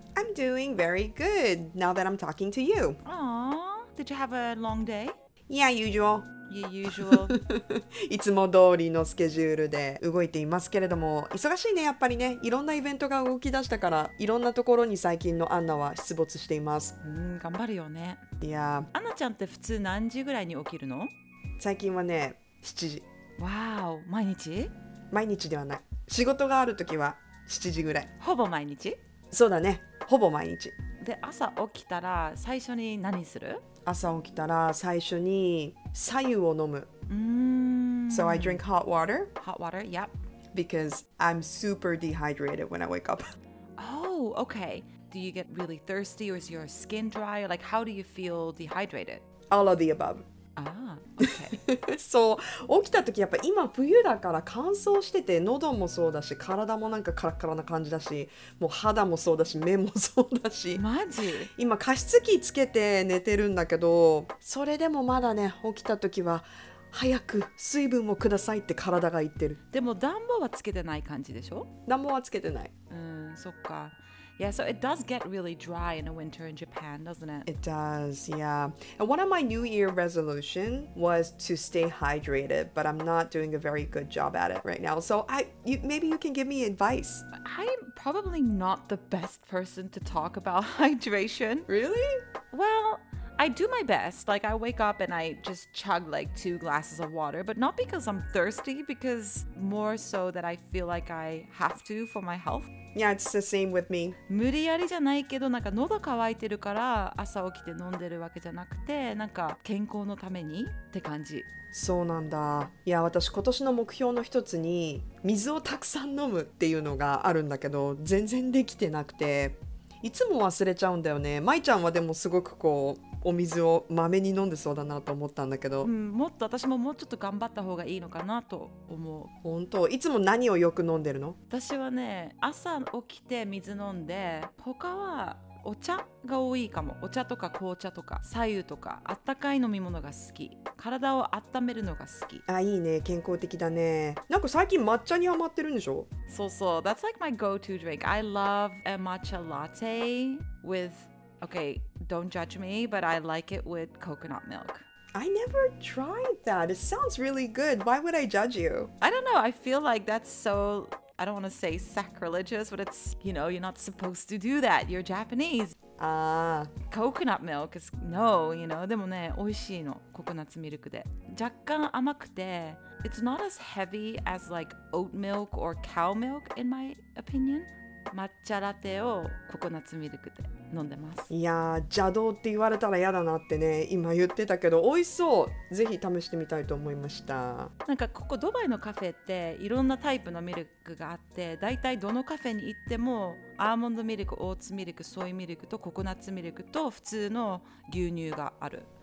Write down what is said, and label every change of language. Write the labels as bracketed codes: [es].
[en] I'm doing very good now that I'm talking to you. Aww, did you have a long day? Yeah, usual. Yeah, usual. [ja] いつも通りのスケジュールで動いていますけれども、忙しいね、やっぱりね。いろんなイベントが動き出したから、いろんなところに最近のアンナは出没しています。うん、頑張るよね。いや、アンナちゃんって普通何時ぐらいに起きるの？最近はね、7時。わお、毎日？毎日ではない。仕事があるときは7時ぐらい。ほぼ毎日？そうだね、ほぼ毎日。で、朝起きたら最初に何する？朝起きたら最初に白湯を飲む。 [en] So I drink hot water. Hot water, yep. Because I'm super dehydrated when I wake up. Oh, okay. Do you get really thirsty or is your skin dry? Like, how do you feel dehydrated? All of the above. Ah, okay. [ja] そう、起きた時やっぱ今冬だから乾燥してて喉もそうだし体もなんかカラカラな感じだしもう肌もそうだし目もそうだしマジ今加湿器つけて寝てるんだけどそれでもまだね起きた時は早く水分をくださいって体が言ってるでも暖房はつけてない感じでしょ暖房はつけてないうんそっか [en] Yeah, so it does get really dry in the winter in Japan, doesn't it? It does, yeah. And one of my New Year resolution was to stay hydrated, but I'm not doing a very good job at it right now. So maybe you can give me advice. I'm probably not the best person to talk about hydration. Really? Well, I do my best. Like, I wake up and I just chug like 2 glasses of water, but not because I'm thirsty, because more so that I feel like I have to for my health. Yeah, it's the same with me. [ja] 無理やりじゃないけど、なんか喉乾いてるから朝起きて飲んでるわけじゃなくて、なんか健康のためにって感じ。そうなんだ。いや、私今年の目標の一つに水をたくさん飲むっていうのがあるんだけど、全然できてなくて、いつも忘れちゃうんだよね。まいちゃんはでもすごくこうお水をまめに飲んでそうだなと思ったんだけど、うん、もっと私ももうちょっと頑張った方がいいのかなと思う。本当、いつも何をよく飲んでるの？私はね、朝起きて水飲んで、他はお茶が多いかも。お茶とか紅茶とか白湯とか、あったかい飲み物が好き。体を温めるのが好き。あ、いいね、健康的だね。なんか最近抹茶にハマってるんでしょ？そうそう、 [en] That's like my go-to drink. I love a matcha latte withOkay, don't judge me, but I like it with coconut milk. I never tried that. It sounds really good. Why would I judge you? I don't know. I feel like that's so, I don't want to say sacrilegious, but it's, you know, you're not supposed to do that. You're Japanese. Coconut milk is no, you know. [ja] でもね、美味しいの、ココナッツミルクで。若干甘くて、 [en] it's not as heavy as like oat milk or cow milk, in my opinion. [ja] 抹茶ラテをココナッツミルクで飲んでます。いやー、邪道って言われたら嫌だなってね、今言ってたけど、美味しそう。ぜひ試してみたいと思いました。なんかここドバイのカフェっていろんなタイプのミルクがあって、だいたいどのカフェに行ってもアーモンドミルク、オーツミルク、ソイミルクとココナッツミルクと普通の牛乳がある。